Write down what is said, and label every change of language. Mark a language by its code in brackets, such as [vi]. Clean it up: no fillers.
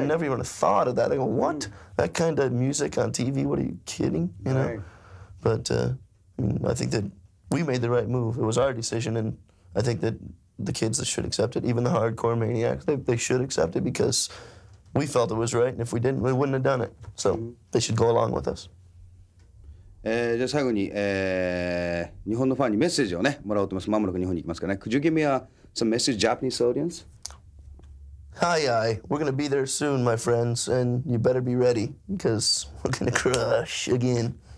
[en] would never even have thought of that. They go, what? That kind of music on TV? What are you kidding? You know? Right. But I mean, I think that we made the right move. It was our decision, and I think that the kids should accept it, even the hardcore maniacs, they should accept it because we felt it was right, and if we didn't, we wouldn't have done it. So mm-hmm. they should go along with us. [ja] Just 最後に日本のファンにメッセージをね、もらおうと思います。まもなく日本に行きますからね。 [en] Could you give me some message to Japanese audience? Hi, we're going to be there soon, my friends, and you better be ready, because we're going to crush again.